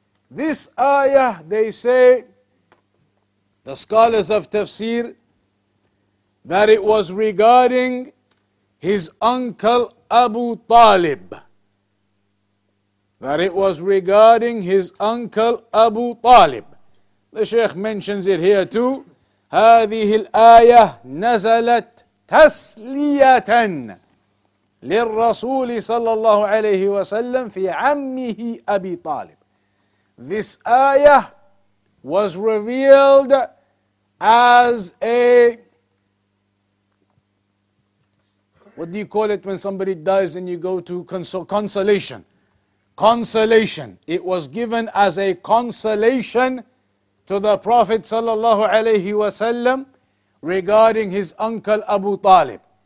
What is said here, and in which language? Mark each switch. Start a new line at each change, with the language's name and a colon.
English: This ayah, they say, the scholars of tafsir, that it was regarding his uncle Abu Talib. That it was regarding his uncle Abu Talib. The Shaykh mentions it here too.
Arabic: هذه الآية نزلت تسلية للرسول صلى الله عليه وسلم في عمه أبي طالب.
English: This ayah was revealed as a, what do you call it when somebody dies and you go to consolation? Consolation. It was given as a consolation to the Prophet sallallahu alayhi wa sallam regarding his uncle Abu Talib.